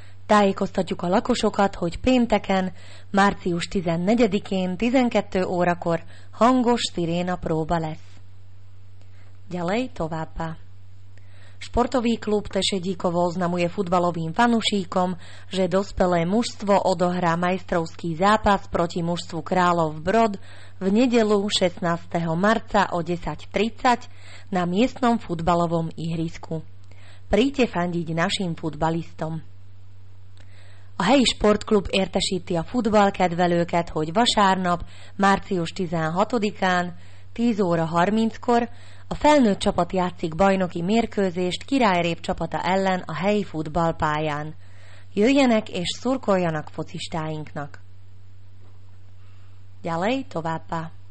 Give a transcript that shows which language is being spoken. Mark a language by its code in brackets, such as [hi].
[hu] Tá je kostatjuka lakosokat, hogy pénteken, március 14-én 12 órakor hangos siréna próba lesz. [sk] Ďalej [hu] továbbá. [sk] Športový klub Tešedíkovo oznamuje futbalovým fanušíkom, že dospelé mužstvo odohrá majstrovský zápas proti mužstvu Králov Brod v nedeľu 16. marca o 10:30 na miestnom futbalovom ihrisku. Príďte fandiť našim futbalistom. [hu] A helyi sportklub értesíti a futballkedvelőket, hogy vasárnap, március 16-án, 10 óra 30-kor a felnőtt csapat játszik bajnoki mérkőzést Királyrép csapata ellen a helyi futballpályán. Jöjjenek és szurkoljanak focistáinknak. Gyalej továbbá.